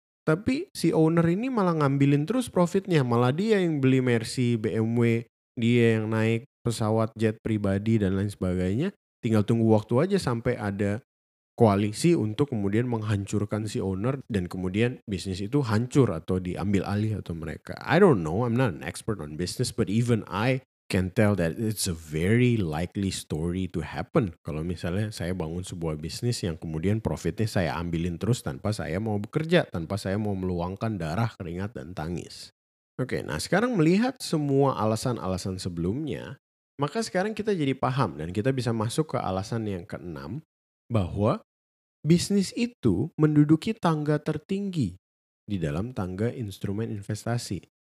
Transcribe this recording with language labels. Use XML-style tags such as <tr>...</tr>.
<id>Tapi si owner ini malah ngambilin terus profitnya. Malah dia yang beli Mercy, BMW, dia yang naik pesawat jet pribadi dan lain sebagainya. Tinggal tunggu waktu aja sampai ada koalisi untuk kemudian menghancurkan si owner dan kemudian bisnis itu hancur atau diambil alih atau mereka.</id> <en>I don't know, I'm not an expert on business, but even I can tell that it's a very likely story to happen.</en> <id>Kalau misalnya saya bangun sebuah bisnis yang kemudian profitnya saya ambilin terus tanpa saya mau bekerja, tanpa saya mau meluangkan darah, keringat, dan tangis. Oke, nah sekarang melihat semua alasan-alasan sebelumnya, maka sekarang kita jadi paham dan kita bisa masuk ke alasan yang keenam, bahwa bisnis itu menduduki tangga tertinggi di dalam tangga instrumen investasi.</id>